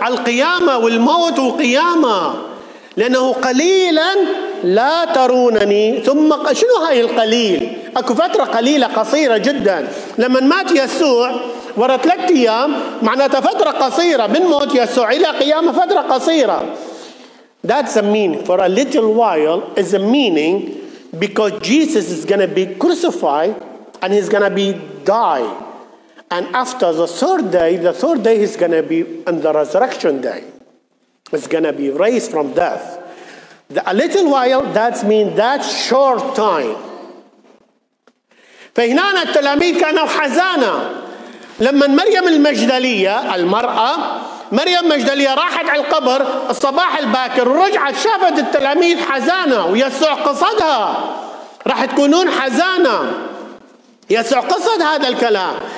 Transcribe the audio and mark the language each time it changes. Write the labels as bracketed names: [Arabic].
[Arabic] على القيامة والموت وقيامة، لأنه قليلا لا ترونني ثم شنو هاي القليل؟ أكو فترة قليلة قصيرة جدا. لما مات يسوع ورا 3 أيام معناتها فترة قصيرة من موت يسوع إلى قيامة فترة قصيرة. [English] That's a meaning for a little while is a meaning because Jesus is going to be crucified and he's going to be die. And after the third day, he's going to be on the resurrection day. He's going to be raised from death. A little while, that means that short time. [Arabic] فهنا التلاميذ كانوا حزانا. لما مريم المجدلية المرأة، مريم المجدلية راحت على القبر الصباح الباكر ورجعت شافت التلاميذ حزانا ويسوع قصدها. راح تكونون حزانا. يسوع قصد هذا الكلام.